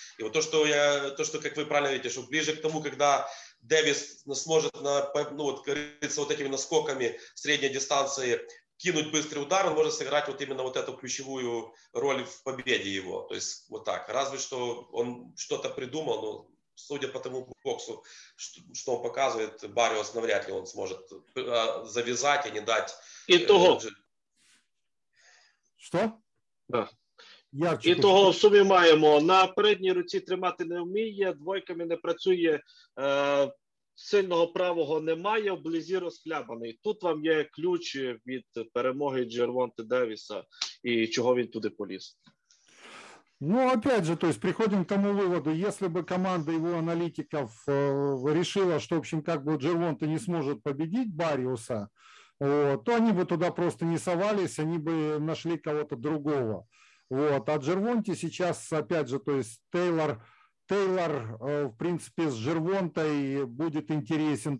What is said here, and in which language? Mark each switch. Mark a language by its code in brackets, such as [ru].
[ru] И вот то, что как вы правильно видите, что ближе к тому, когда Дэвис сможет открыться вот этими наскоками средней дистанции, кинуть быстрый удар, он может сыграть вот именно вот эту ключевую роль в победе его. То есть вот так. Разве что он что-то придумал, но судя по тому боксу, что он показывает, Барріос навряд ли он сможет завязать и не дать... Итого. [uk] Що? [ru] Да. [uk] Ярче, і то, того в сумі маємо. На передній руці тримати не вміє, двойками не працює, сильного правого немає, вблизі розхлябаний. Тут вам є ключ від перемоги Джервонте Девіса і чого він туди поліз. [ru] Ну, опять же, то есть приходим к тому выводу, если бы команда его аналитиков решила, что, в общем, как бы Джервонте не сможет победить Барриуса, вот, то они бы туда просто не совались, они бы нашли кого-то другого. Вот. А Джервонте сейчас, опять же, то есть Тейлор, в принципе, с Джервонтой будет интересен.